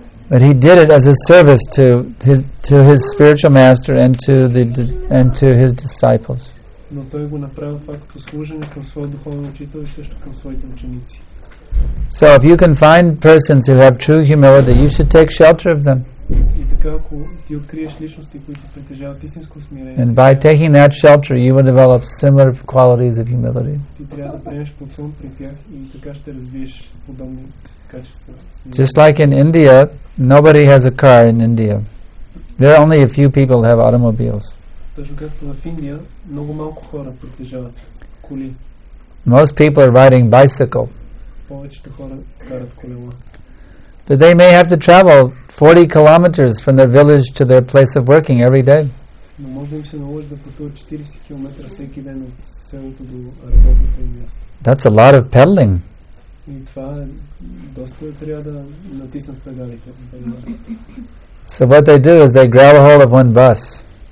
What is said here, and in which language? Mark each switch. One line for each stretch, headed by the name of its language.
English: But he did it as a service to his spiritual master and to the and to his disciples.
Bulgarian: Но той го направил това като служене към своя духовен учител и също към своите ученици.
English: So if you can find persons who have true humility, you should take shelter of them.
Bulgarian: И така, ако ти откриеш личности, които притежават истинско смирение.
English: And by taking that shelter, you will develop similar qualities of humility.
Bulgarian: Ти трябва да приемеш под сон при тях и така ще развиеш подобни качества.
English: Just like in India, nobody has a car in India. There are only a few people who have automobiles.
Bulgarian: Точно както в Индия, много малко хора притежават коли.
English: Most people are riding bicycle.
Bulgarian: Повечето хора карат колело.
English: But they may have to travel 40 kilometers from their village to their place of working every day.
Bulgarian: Но може им се наложи да пътуват 40 км всеки ден от селото до работното място.
English: That's a lot of pedaling.
Bulgarian: И това доста трябва да натиснат педалите.
English: So what they do is they grab a hold of one bus.